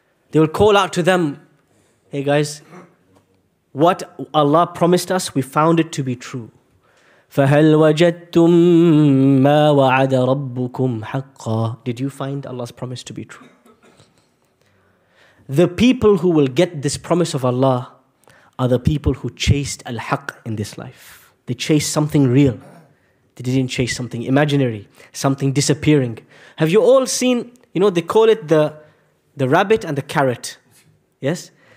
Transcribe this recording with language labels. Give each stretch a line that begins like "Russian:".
English: They will call out to them, hey guys, what Allah promised us, we found it to be true.
Arabic: فهل وجدتم ما وعد ربكم حقا.
English: Did you find Allah's promise to be true? The people who will get this promise of Allah are the people who chased al-haq in this life. They chased something real. They didn't chase something imaginary, something disappearing. Have you all seen, you know, they call it the rabbit and the carrot. Yes?